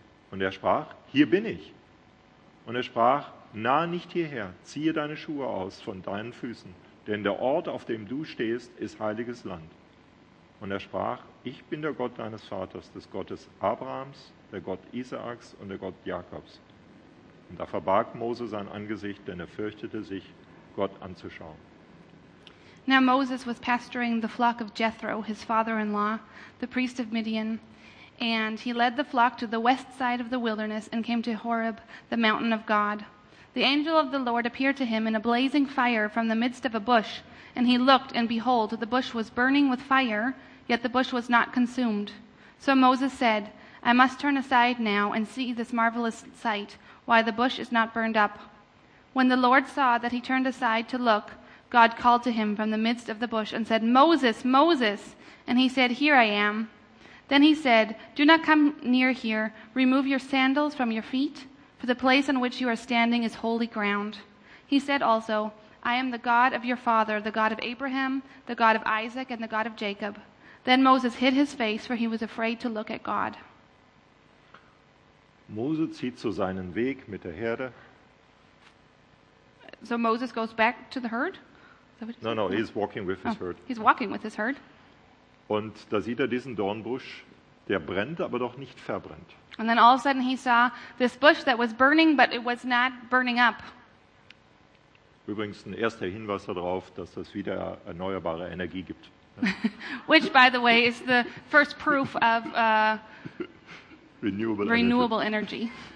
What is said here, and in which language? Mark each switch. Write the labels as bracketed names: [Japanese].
[German] Und er sprach, hier bin ich. Und er sprach, nahe nicht hierher, ziehe deine Schuhe aus von deinen Füßen, denn der Ort, auf dem du stehst, ist heiliges Land. Und er sprach, ich bin der Gott deines Vaters, des Gottes Abrahams, der Gott Isaaks und der Gott Jakobs. Und da verbarg Mose sein Angesicht, denn er fürchtete sich, Gott anzuschauen. [English] Now Moses was pasturing the flock of Jethro, his father-in-law, the priest of Midian. And he led the flock to the west side of the wilderness and came to Horeb, the mountain of God. The angel of the Lord appeared to him in a blazing fire from the midst of a bush. And he looked, and behold, the bush was burning with fire, yet the bush was not consumed. So Moses said, I must turn aside now and see this marvelous sight, why the bush is not burned up. When the Lord saw that he turned aside to look, God called to him from the midst of the bush and said, Moses, Moses! And he said, Here I am. Then he said, Do not come near here. Remove your sandals from your feet, for the place on which you are standing is holy ground. He said also, I am the God of your father, the God of Abraham, the God of Isaac, and the God of Jacob. Then Moses hid his face, for he was afraid to look at God. [German] Mose zieht so seinen Weg mit der Herde. [English] So Moses goes back to the herd? No, he's walking with his herd. He's walking with his herd. [German] Und da sieht er diesen Dornbusch, der brennt, aber doch nicht verbrennt. [English] And then all of a sudden he saw this bush that was burning, but it was not burning up. [German] Übrigens ein erster Hinweis darauf, dass das wieder erneuerbare Energie gibt. [English] Which, by the way, is the first proof of renewable energy.